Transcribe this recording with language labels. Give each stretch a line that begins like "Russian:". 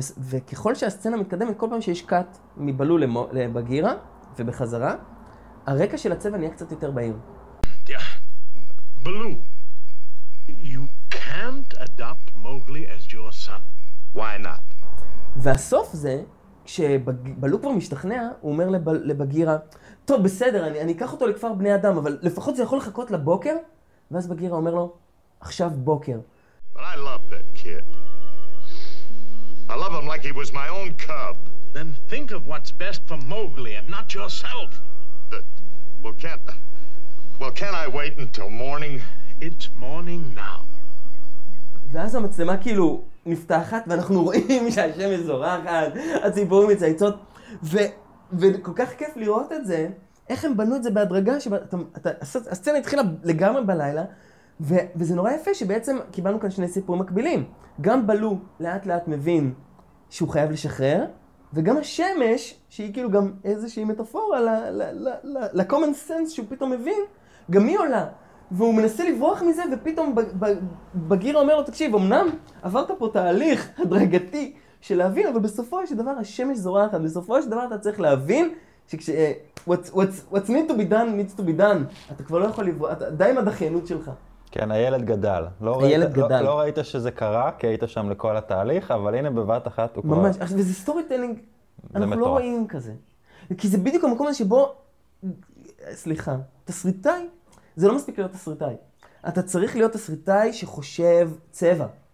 Hebrew: וככל שהסצנה מתקדמת, כל פעם שיש קאט מבלו לבגירה ובחזרה, הרקע של הצבע נהיה קצת יותר בהיר.
English: בלו, you can't adopt Mowgli as your son. Why not?
Hebrew: והסוף זה, כשבלו כבר משתכנע, הוא אומר לבגירה, טוב, בסדר, אני אקח אותו לכפר בני אדם, אבל לפחות זה יכול לחכות לבוקר? ואז בגירה אומר לו, עכשיו בוקר.
English: But I love that kid. I love him like he was my own cub. Then think of what's best for Mowgli and not yourself. Well, can I wait until morning? It's morning now.
Hebrew: ואז המצלמה כאילו נפתחת, ואנחנו רואים שהשמש זורחת, הציפורים מצייצות, וכל כך כיף לראות את זה, איך הם בנו את זה בהדרגה, הסצנה התחילה לגמרי בלילה, וזה נורא יפה שבעצם קיבלנו כאן שני סיפורים מקבילים. גם בלו לאט לאט מבין שהוא חייב לשחרר, וגם השמש, שהיא כאילו גם איזושהי מטאפורה ל-common sense שהוא פתאום מבין, גם היא עולה. והוא מנסה לברוח מזה, ופתאום בגיר אומר לו, תקשיב, אמנם עברת פה תהליך הדרגתי של להבין, אבל בסופו של דבר השמש זורחת, בסופו של דבר אתה צריך להבין שכש...
English: what's need to be done, needs to be done.
Hebrew: אתה כבר לא יכול לברוח, די עם הדחיינות שלך. כן, הילד גדל. הילד גדל. לא ראית שזה קרה, כי היית שם לכל התהליך, אבל הנה בבת אחת הוא כבר... ממש, וזה סטורי טלינג, אנחנו לא רואים כזה. כי זה בדיוק המקום הזה שבו... סליחה, תסריטאי? זה לא מספיק להיות תסריטאי. אתה צריך להיות תסריטאי שחושב צבע.